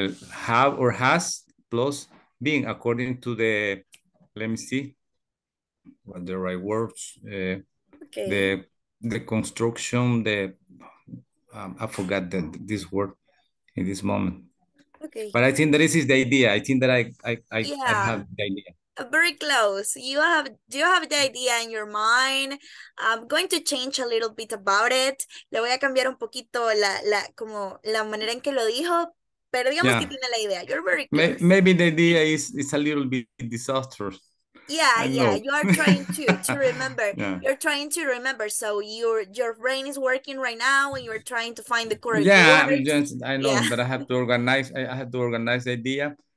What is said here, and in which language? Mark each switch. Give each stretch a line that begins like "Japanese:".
English: have or has plus being according to the, let me see what the right words, the construction, the I forgot that this word in this moment. Okay. But I think that this is the idea. I think that I have the idea. Very close. Do you have the idea in your mind? I'm going to change a little bit about it.
Spanish: Le voy a cambiar un poquito la manera en que lo dijo. Pero digamos que tiene la idea.
English: You're very close. Maybe the idea is a little bit disastrous. Yeah, you are trying to remember. Yeah. You're trying to remember. So your brain is working right now and you're trying to find the correct words. But I have to organize. I have to organize the idea.